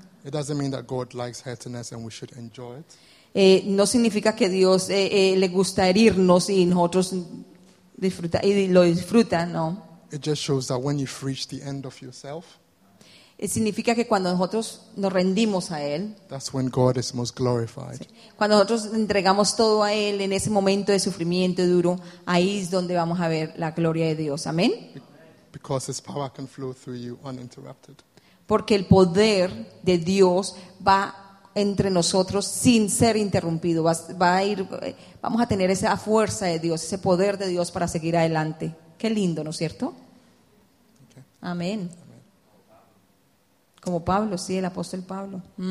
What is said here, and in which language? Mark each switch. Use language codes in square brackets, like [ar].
[en] It doesn't mean that God likes hurting us and we should enjoy it. [es] No significa que Dios le gusta herirnos y nosotros disfruta y lo disfruta, no. [en] It just shows that when you've reached the end of yourself. [es] Significa que cuando nosotros nos rendimos a Él, [en] that's when God is most glorified. [es] Cuando nosotros entregamos todo a Él en ese momento de sufrimiento duro, ahí es donde vamos a ver la gloria de Dios. Amén. [en] Because His power can flow through you uninterrupted. [es] Porque el poder de Dios va entre nosotros sin ser interrumpido. Vamos a tener esa fuerza de Dios, ese poder de Dios para seguir adelante. Qué lindo, ¿no es cierto? Okay. Amén. Como Pablo, sí, el apóstol Pablo.